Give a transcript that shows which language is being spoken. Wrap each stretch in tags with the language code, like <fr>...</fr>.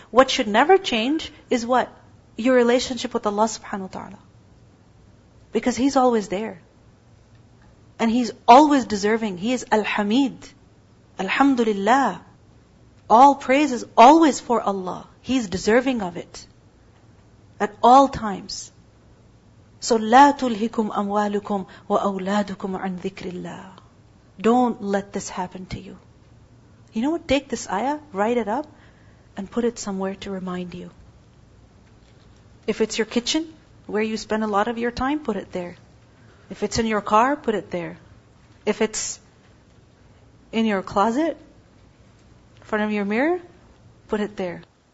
<en>What should never change is what? Your relationship with Allah subhanahu wa ta'ala. Because He's always there. And He's always deserving. He is Al-Hamid. Alhamdulillah. All praise is always for Allah. He's deserving of it. At all times.</en> <ar>So, لا تلهكم أموالكم وأولادكم عن ذكر الله.</ar> <en>Don't let this happen to you. You know what? Take this ayah, write it up, and put it somewhere to remind you. If it's your kitchen, where you spend a lot of your time, put it there. If it's in your car, put it there. If it's in your closet, in front of your mirror, put it there.</en>